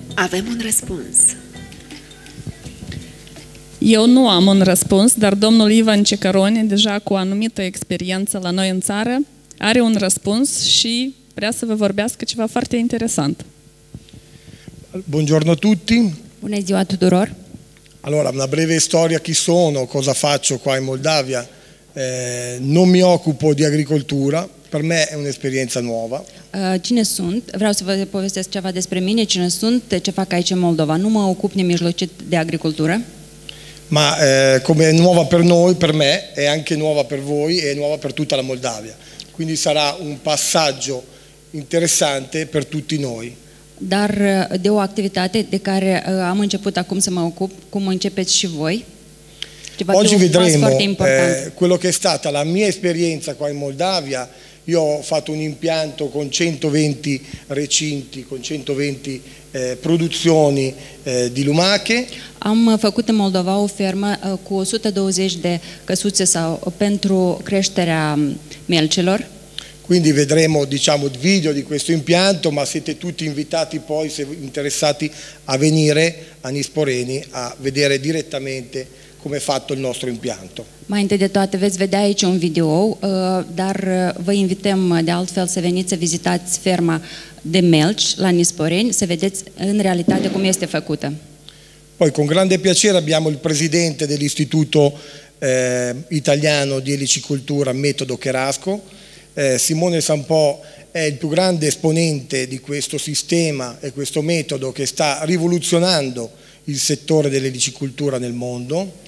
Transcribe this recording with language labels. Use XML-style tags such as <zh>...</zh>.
<ro>Avem un răspuns. Eu nu am un răspuns, dar domnul Ivan Cecaroni, deja cu anumită experiență la noi în țară, are un răspuns și vrea să vă vorbească ceva foarte interesant.</ro> <it>Buongiorno a tutti.</it> <ro>Bună ziua tuturor.</ro> <it>Allora, una breve storia, chi sono, cosa faccio qua in Moldavia? Non mi occupo di agricoltura, per me è un'esperienza nuova.</it> <ro>Cine sunt? Vreau să vă povestesc ceva despre mine. Cine sunt? Ce fac aici în Moldova? Nu mă ocup nemijlocit de agricultură.</ro> <it>Ma come è nuova per noi, per me, è anche nuova per voi e nuova per tutta la Moldavia. Quindi sarà un passaggio interessante per tutti noi.</it> <ro>Dar de o activitate de care am început acum să mă ocup, cum începeți și voi?</ro> <it>Oggi vedremo quello che è stata la mia esperienza qua in Moldavia. Io ho fatto un impianto con 120 recinti, con 120 produzioni di lumache.</it> <ro>Am făcut în Moldova o fermă cu 120 de căsuțe sau pentru creșterea melcilor.</ro> <it>quindi vedremo, diciamo, il video di questo impianto, ma siete tutti invitati poi, se interessati, a venire a Nisporeni a vedere direttamente come è fatto il nostro impianto.</it> <ro>Mai întâi de toate veți vedea aici un video, dar vă invităm de altfel să veniți să vizitați ferma de melci la Nisporeni, să vedeți în realitate cum este făcută.</ro> <it>Poi con grande piacere abbiamo il presidente dell'Istituto Italiano di Elicicoltura Metodo Cherasco, Simone Sampò è il più grande esponente di questo sistema e questo metodo che sta rivoluzionando il settore dell'elicicoltura nel mondo.</it>